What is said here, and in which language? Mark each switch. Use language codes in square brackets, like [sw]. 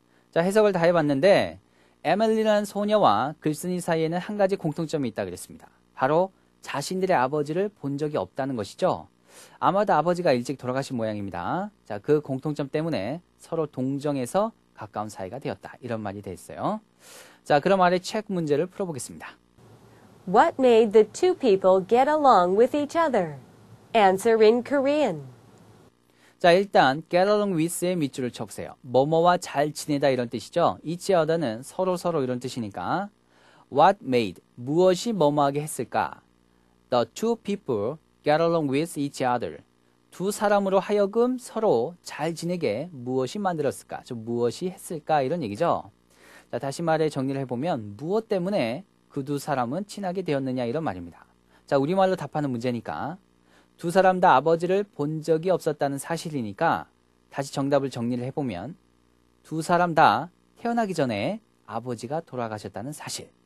[ko] 자, 해석을 다 해봤는데 에밀리라는 소녀와 글쓴이 사이에는 한 가지 공통점이 있다고 그랬습니다. 바로 자신들의 아버지를 본 적이 없다는 것이죠. 아마도 아버지가 일찍 돌아가신 모양입니다. 자, 그 공통점 때문에 서로 동정해서 가까운 사이가 되었다. 이런 말이 됐어요. 자, 그럼 아래 책 문제를 풀어보겠습니다. [en] What made the two people get along with each other? Answer in Korean. [ko] 자, 일단 get along with의 밑줄을 쳐보세요. 뭐뭐와 잘 지내다 이런 뜻이죠. each other는 서로서로 이런 뜻이니까 [en] what made, [ko] 무엇이 뭐뭐하게 했을까? [en] The two people get along with each other. [ko] 두 사람으로 하여금 서로 잘 지내게 무엇이 만들었을까? 좀 무엇이 했을까? 이런 얘기죠. 자, 다시 말해 정리를 해보면 무엇 때문에 그 두 사람은 친하게 되었느냐 이런 말입니다. 자, 우리말로 답하는 문제니까 두 사람 다 아버지를 본 적이 없었다는 사실이니까 다시 정답을 정리를 해보면 두 사람 다 태어나기 전에 아버지가 돌아가셨다는 사실.